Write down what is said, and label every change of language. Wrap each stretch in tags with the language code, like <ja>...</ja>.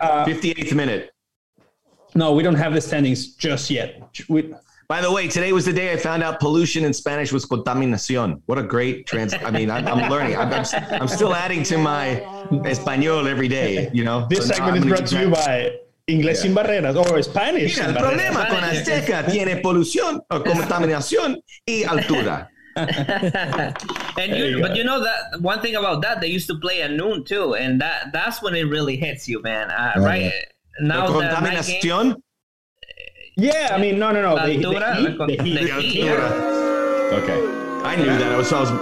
<en>58th minute. No, we don't have the standings just yet. By the way, today was the day I found out pollution in Spanish was contaminación. What a great trans! I mean, I'm learning. I'm still adding to my español every day. You know, this so segment is brought to you by Inglés sin barreras or Spanish.</en> <es>Mira, el problema con Azteca tiene polución o contaminación y altura.</es> <en>And you, but you know that one thing about that, they used to play at noon too, and that's when it really hits you, man. Right now, contaminación. Yeah, I mean, no. Okay, I knew that.</en>